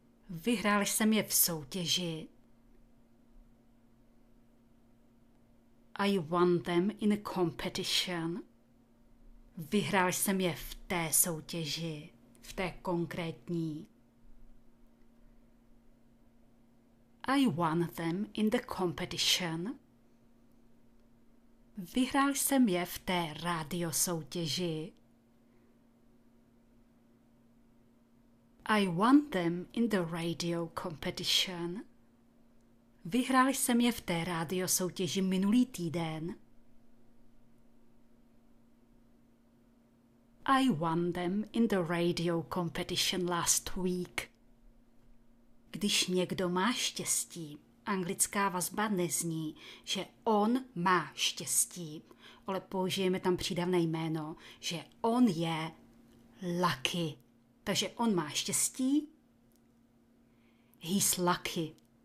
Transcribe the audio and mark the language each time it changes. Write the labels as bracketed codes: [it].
[cs] Vyhráli jsem je v soutěži. [en] I won them in a competition. [cs] Vyhrál jsem je v té soutěži, v té konkrétní. [en] I won them in the competition. [cs] Vyhrál jsem je v té rádio soutěži. [en] I won them in the radio competition. [cs] Vyhrál jsem je v té rádio soutěži minulý týden. [en] I won them in the radio competition last week. [cs] Když někdo má štěstí, anglická vazba nezní, že on má štěstí, ale použijeme tam přídavné jméno, že on je lucky. Takže on má štěstí. [en] He's lucky.